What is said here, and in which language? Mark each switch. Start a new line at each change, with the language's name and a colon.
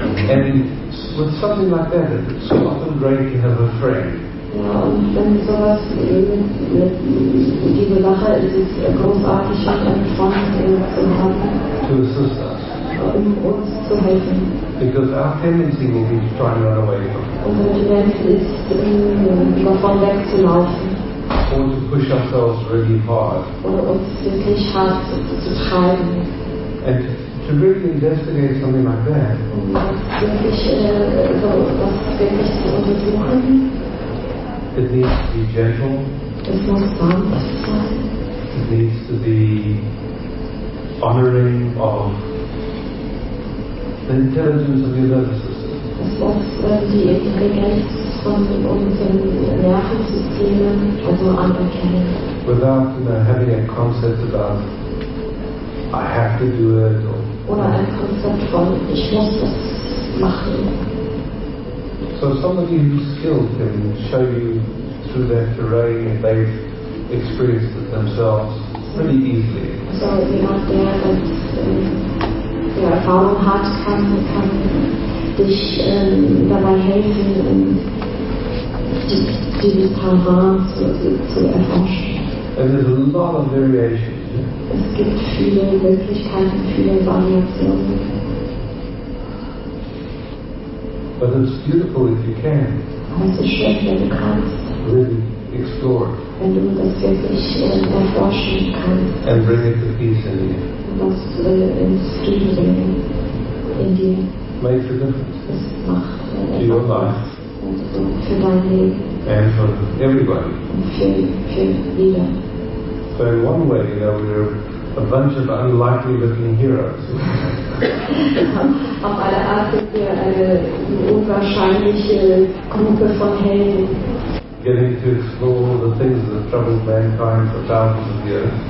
English: And with something like that, it's often great to have a friend.
German: Ja, und wenn sowas mit dieser Sache ist, ist es großartig, einen Freund zu haben.
English: To assist us.
German: Um uns zu helfen.
English: Because our tendency will be to try and run away from.
German: Unsere Tendenz ist, davon wegzulaufen.
English: Or to push ourselves really hard.
German: Oder uns wirklich hart zu treiben.
English: And to really investigate something like that.
German: Und wirklich zu untersuchen.
English: It needs to be gentle.
German: Es muss sanft sein.
English: It needs to be honoring of the intelligence of your nervous system.
German: Es muss die Intelligenz von unseren Nervensystemen also anerkennen.
English: without, you know, having a concept about I have to do it or
German: oder ein Konzept von ich muss das machen.
English: So somebody who's skilled can show you through that terrain and they've experienced it themselves pretty easily.
German: So jemand, der das der Erfahrung hat, kann dich dabei helfen, dieses Terrain zu erforschen.
English: And there's a lot of variation.
German: Es gibt viele Möglichkeiten, viele Variationen.
English: But it's beautiful if you can.
German: Also schön, wenn du kannst.
English: Really explore.
German: Wenn du das wirklich erforschen kannst.
English: And bring it to peace in you.
German: Was ins Frieden bringen in dir.
English: Make the difference.
German: Es macht
English: to your life.
German: Also für dein Leben.
English: And for everybody.
German: Für jeder.
English: So in one way, you know, we're a bunch of unlikely looking heroes.
German: Auf alle Art sind wir eine unwahrscheinliche Gruppe von Helden.
English: Getting to explore the things that troubled mankind for thousands of years.